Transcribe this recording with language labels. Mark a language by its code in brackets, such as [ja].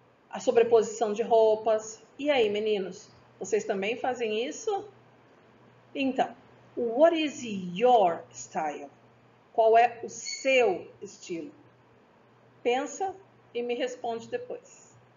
[pt] A sobreposição de roupas. E aí, meninos, vocês também fazem isso? Então, [en] what is your style? [pt] Qual é o seu estilo? Pensa e me responde depois.